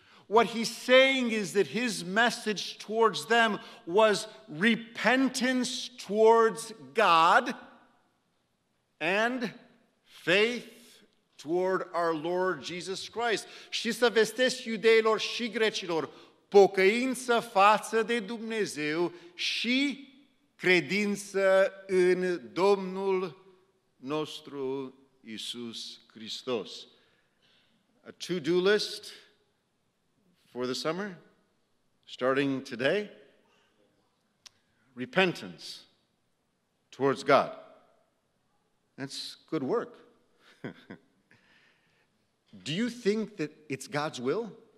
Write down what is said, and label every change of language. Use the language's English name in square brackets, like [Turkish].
[English] What he's saying is that his message towards them was repentance towards God and faith toward our Lord Jesus Christ. [Romanian] Și să vestesc iudeilor și grecilor pocăință față de Dumnezeu și credință în Domnul nostru Iisus Hristos. [English] A to-do list for the summer, starting today. Repentance towards God. That's good work. Do you think that it's God's will?